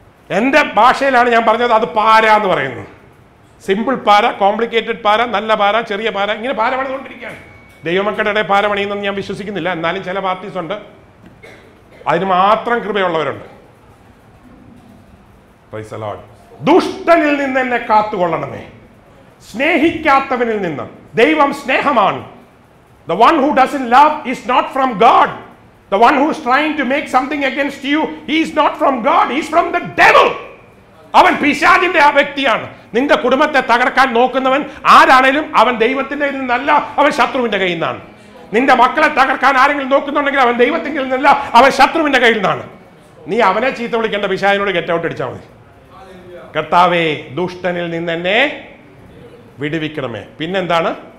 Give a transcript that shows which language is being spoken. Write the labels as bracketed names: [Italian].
[Malayalam] എന്റെ ഭാഷയിലാണ് ഞാൻ പറഞ്ഞത്, അത് പാര എന്ന് പറയുന്നത്. സിമ്പിൾ പാര, കോംപ്ലിക്കേറ്റഡ് പാര, നല്ല പാര, ചെറിയ പാര, ഇങ്ങനെ പാര പണിതുകൊണ്ടിരിക്കുകയാണ്. ദൈവമക്കളുടെ പാര പണിയുന്നെന്ന് ഞാൻ വിശ്വസിക്കുന്നില്ല. എന്നാലും ചില പാർട്ടീസ് ഉണ്ട് അതിന് മാത്രം കൃപയുള്ളവരുണ്ട്. [English] Praise the lord. [Malayalam] ദുഷ്ടനിൽ നിന്ന് എന്നെ കാത്തുകൊള്ളണമേ, സ്നേഹിക്കാത്തവനിൽ നിന്ന്. ദൈവം സ്നേഹമാണ്. [English] The one who doesn't love is not from God. The one who is trying to make something against you, he is not from God. He is from the devil. [Malayalam] അവൻ പിശാചിന്റെ ആ വ്യക്തിയാണ്. നിന്റെ കുടുംബത്തെ തകർക്കാൻ നോക്കുന്നവൻ ആരാണേലും അവൻ ദൈവത്തിന്റെ കയ്യിൽ നിന്നല്ല, അവൻ ശത്രുവിന്റെ കയ്യിൽ നിന്നാണ്. നിന്റെ മക്കളെ തകർക്കാൻ ആരെങ്കിലും നോക്കുന്നുണ്ടെങ്കിൽ അവൻ ദൈവത്തിൽ നിന്നല്ല, അവൻ ശത്രുവിന്റെ കയ്യിൽ നിന്നാണ്. നീ അവനെ ചീത്ത വിളിക്കേണ്ട, പിശാചിനോട് ഗെറ്റ് ഔട്ട് അടിച്ചാൽ മതി. കർത്താവേ, ദുഷ്ടനിൽ നിന്ന് എന്നെ വിടുവിക്കണമേ. പിന്നെന്താണ്?